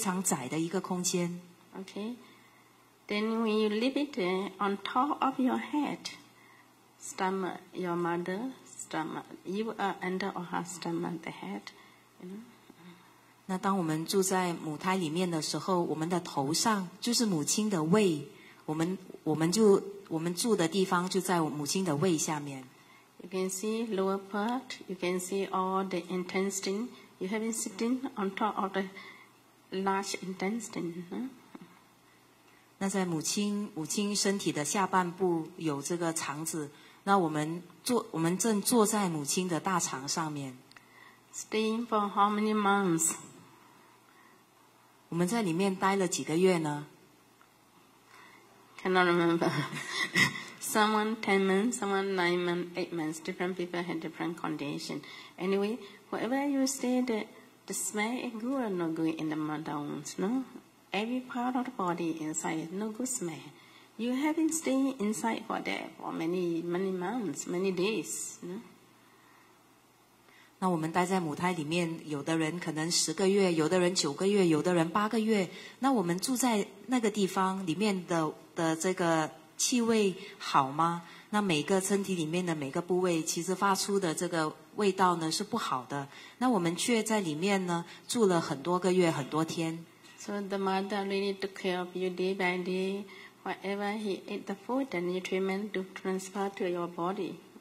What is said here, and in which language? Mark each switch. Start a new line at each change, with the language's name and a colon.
Chinese: 我们能够看到说，当时的自己呢，我们是挤在里面的，我们不能够动，也不能够把手脚呢伸直，在里面呢是非常窄的一个空间。Okay,
English: then when you leave it on top of your head, stomach, your mother's stomach, you are under her stomach, the head, you know.
Chinese: 那当我们住在母胎里面的时候，我们的头上就是母亲的胃，我们就。我们住的地方就在母亲的胃下面。You
English: can see lower part, you can see all the intestine. You have been sitting on top of the large intestine. Huh?
Chinese: 那在母亲身体的下半部有这个肠子，那我们正坐在母亲的大肠上面。Staying
English: for how many months?
Chinese: 我们在里面待了几个月呢？
English: Cannot remember. Someone 10 months, someone 9 months, 8 months. Different people had different conditions. Anyway, whatever you say, the smell is good or not good in the mother wounds, no? every part of the body inside no good smell. You have been staying inside for that for many, many months, many days. You know?
Chinese: 那我们待在母胎里面，有的人可能十个月，有的人九个月，有的人八个月。那我们住在那个地方里面的这个气味好吗？那每个身体里面的每个部位其实发出的这个味道呢是不好的。那我们却在里面呢住了很多个月很多天。So
English: the mother really took care of you day by day. Whatever he ate the food, the nutrient to transfer to your body.